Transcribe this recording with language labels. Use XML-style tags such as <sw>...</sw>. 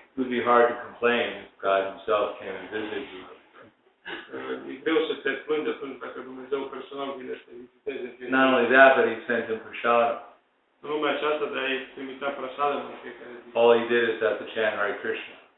<en>It would be hard to complain if God himself came and visited you.</en> <ro>greu să te plângi atunci dacă Dumnezeu personal vine să te viziteze.</ro> <en>Not only that, but he sent him prasadam.</en> <ro>În lumea aceasta de a-i trimita prasadam în fiecare zi.</ro> <en>All he did is have to chant Hare Krishna.</en>